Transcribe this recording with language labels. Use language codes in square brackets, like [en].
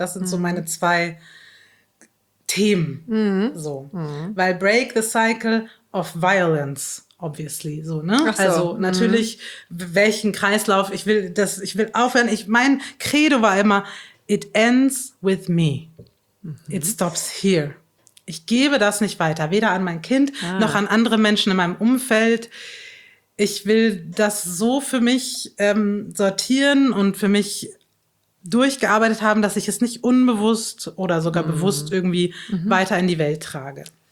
[de] Das sind so meine zwei Themen. So. Weil [en] Break the Cycle of Violence, obviously. [de] So, ne? Ach so. Also natürlich, welchen Kreislauf, ich will das, ich will aufhören. Ich, mein Credo war immer, [en] it ends with me. It stops here. [de] Ich gebe das nicht weiter, weder an mein Kind noch an andere Menschen in meinem Umfeld. Ich will das so für mich sortieren und für mich durchgearbeitet haben, dass ich es nicht unbewusst oder sogar bewusst irgendwie weiter in die Welt trage.